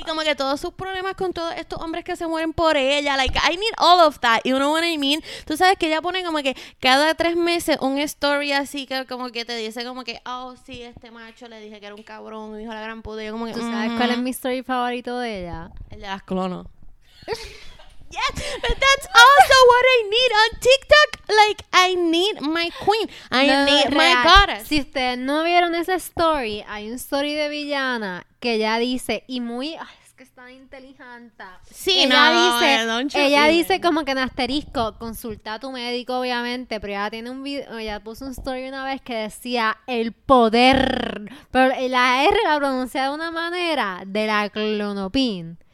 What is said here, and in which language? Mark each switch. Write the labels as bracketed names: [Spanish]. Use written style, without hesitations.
[Spanish] Y como que todos sus problemas con todos estos hombres que se mueren por ella, [English] like, I need all of that, you know what I mean? [Spanish] Tú sabes que ella pone como que cada 3 meses un story así que como que te dice como que, oh, sí, este macho le dije que era un cabrón, un hijo de la gran puta, yo como que... ¿Tú sabes cuál es mi story favorito de ella? El de las clonos. [English] Yes, but that's also what I need on TikTok. Like, I need my queen. I need my goddess. [Spanish] Si ustedes no vieron esa story, hay un story de Villana que ella dice, y muy... Está inteligente. Sí, ella no, dice, ella dice como que en asterisco, consulta a tu médico, obviamente, pero ella tiene un video, ella puso un story una vez que decía el poder, pero la R la pronuncia de una manera de la clonopin.